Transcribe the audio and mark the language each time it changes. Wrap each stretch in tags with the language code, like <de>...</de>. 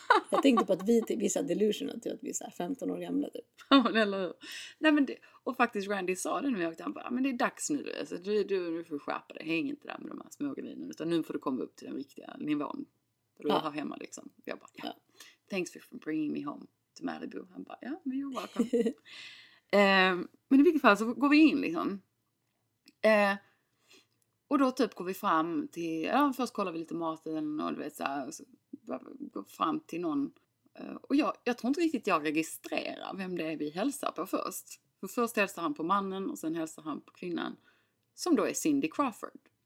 <sv>Jag tänkte på att vi är så här delusional till att vi är så här 15 år gamla. Ja, eller hur? Nej, men det... Och faktiskt Randy sa det när vi åkte, han bara, men det är dags nu, alltså, du får skärpa dig, häng inte där med de här smågrinerna, utan nu får du komma upp till den riktiga nivån, för du ja. Har hemma liksom. Jag bara, ja,</sv> <en>thanks for bringing me home to Malibu.</en> <sv>Han bara, ja,</sv> <en>yeah, you're welcome.</en> <sv>men i vilket fall så går vi in liksom. Och då typ går vi fram till, ja, först kollar vi lite maten och du vet så, här, så går fram till någon. Och jag tror inte riktigt jag registrerar vem det är vi hälsar på först. För först hälsar han på mannen och sen hälsar han på kvinnan. Som då är Cindy Crawford.</sv>